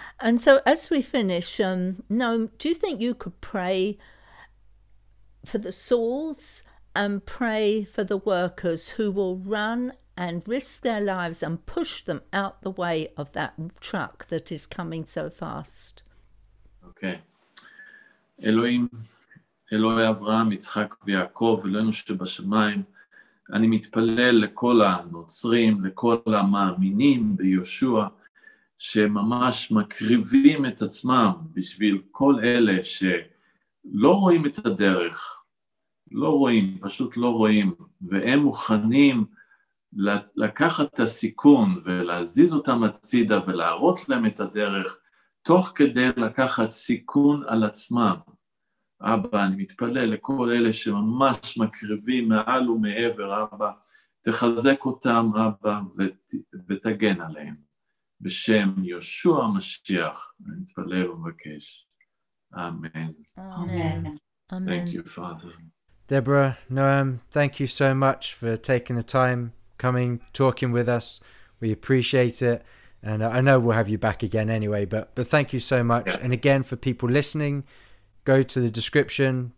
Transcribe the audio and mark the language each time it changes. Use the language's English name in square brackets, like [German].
[English] And so as we finish, Noam, do you think you could pray for the Sauls and pray for the workers who will run and risk their lives and push them out the way of that truck that is coming so fast? Okay. [Hebrew] Elohim, Elohe Avraham, Yitzchak ve'Yaakov, Elohim shebashamayim, אני מתפלל לכל הנוצרים, לכל המאמינים ביהושע, שממש מקריבים את עצמם בשביל כל אלה שלא רואים את הדרך, לא רואים, פשוט לא רואים, והם מוכנים לקחת את הסיכון ולהזיז אותם הצידה ולהראות להם את הדרך, תוך כדי לקחת סיכון על עצמם. אבא, אני מתפלל לכל אלה שממש מקריבים מעל ומעבר, אבא, תחזק אותם, אבא, ותגן עליהם. בשם יהושע המשיח, אני מתפלל ומבקש. אמן. אמן. [English] Thank you, Father. Deborah, Noam, thank you so much for taking the time, coming, talking with us. We appreciate it. And I know we'll have you back again anyway, but thank you so much. And again, for people listening, go to the description.